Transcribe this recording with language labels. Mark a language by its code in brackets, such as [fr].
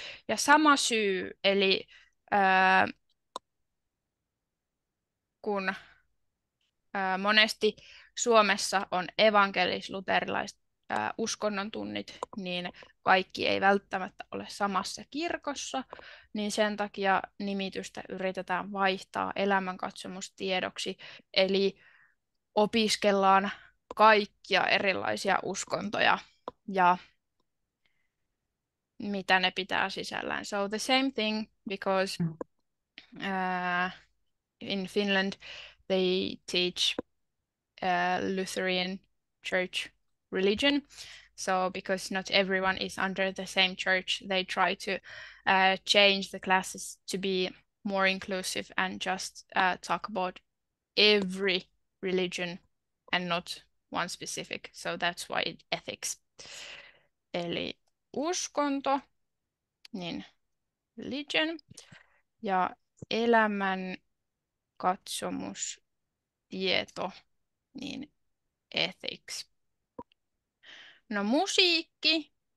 [fi] Ja sama syy, eli kun monesti Suomessa on evankelis-luterilaiset uskonnon tunnit, niin kaikki ei välttämättä ole samassa kirkossa, niin sen takia nimitystä yritetään vaihtaa elämänkatsomustiedoksi, eli opiskellaan kaikkia erilaisia uskontoja ja mitä ne pitää sisällään. [en] So the same thing, because in Finland they teach Lutheran church religion. So because not everyone is under the same church, they try to change the classes to be more inclusive and just talk about every religion and not one specific. So that's why it ethics. [fi] Eli uskonto, niin religion ja elämän katsomus tieto, niin ethics. No musiikki.